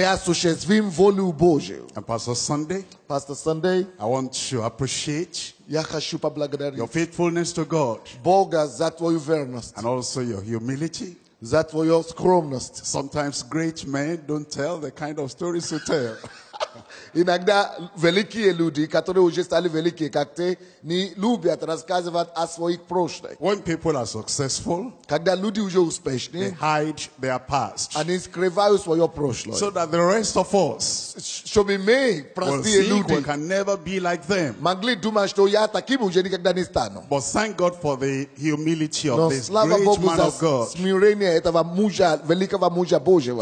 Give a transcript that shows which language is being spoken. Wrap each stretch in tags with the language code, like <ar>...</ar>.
<en>And Pastor Sunday, I want to appreciate your faithfulness to God and also your humility. That was your scrumness. Sometimes great men don't tell the kind of stories you tell.</en> <ru>Иногда великие люди, которые уже стали великие, как ты, не любят рассказывать о своих прошлых.</ru> <en>When people are successful,</en> <ru>когда люди уже успешны,</ru> <en>they hide their past.</en> <ru>Они скрывают свое прошлое.</ru> <en>So that the rest of us,</en> <ru>чтобы мы, простые люди,</ru> <en>can never be like them.</en> <ru>Могли думать, что я таким уже никогда не стану.</ru> <en>But thank God for the humility of this great man of God.</en> <ru>Смирение этого мужа, великого мужа Божьего.</ru>